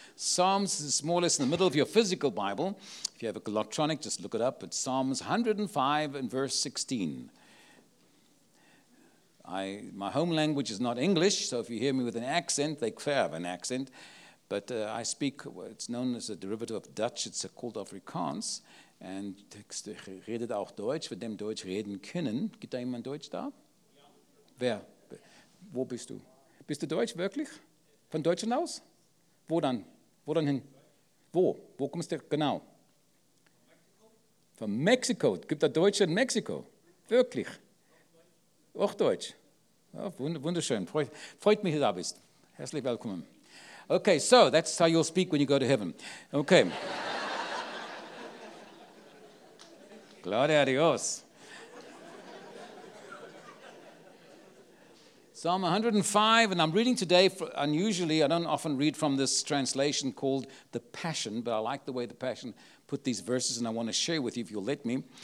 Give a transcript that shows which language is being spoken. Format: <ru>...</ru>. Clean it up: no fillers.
<en>Psalms is more or less in the middle of your physical Bible. If you have an electronic, just look it up. It's Psalms 105 and verse 16. My home language is not English, so if you hear me with an accent, they have an accent. But I speak, it's known as a derivative of Dutch. It's called Afrikaans.</en> <de>And redet auch Deutsch, von dem Deutsch reden können. Gibt da jemand Deutsch da? Ja. Wer? Wo bist du? Bist du Deutsch, wirklich? Von Deutschland aus? Wo dann? Wo dann hin? Wo? Wo kommst du genau? Von Mexiko. Gibt da Deutsche in Mexiko? Wirklich? Auch Deutsch? Ja, wunderschön. Freut mich, dass du da bist. Herzlich willkommen.</de> <en>Okay, so that's how you'll speak when you go to heaven. Okay.</en> <es>Gloria a Dios.</es> <en>Psalm 105, and I'm reading today, unusually, I don't often read from this translation called The Passion, but I like the way The Passion put these verses, and I want to share with you if you'll let me.</en>